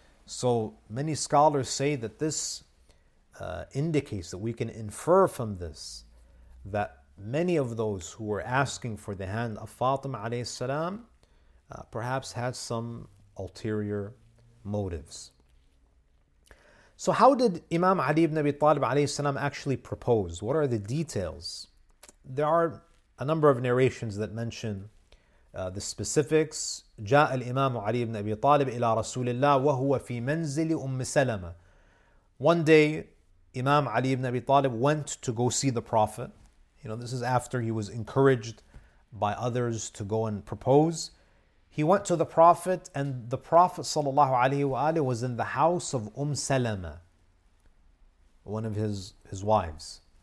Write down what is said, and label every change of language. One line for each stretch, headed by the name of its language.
English: So many scholars say that this indicates that we can infer from this that many of those who were asking for the hand of Fatima alayhi salam perhaps had some ulterior motives. So how did Imam Ali ibn Abi Talib alayhi salam actually propose? What are the details? There are a number of narrations that mention the specifics.
Arabic: جاء الإمام علي بن أبي طالب إلى رسول الله وهو في منزل أم سلمة.
English: One day, Imam Ali ibn Abi Talib went to go see the Prophet. You know, this is after he was encouraged by others to go and propose. He went to the Prophet, and the Prophet sallallahu alaihi wasallam was in the house of Umm Salama, one of his wives.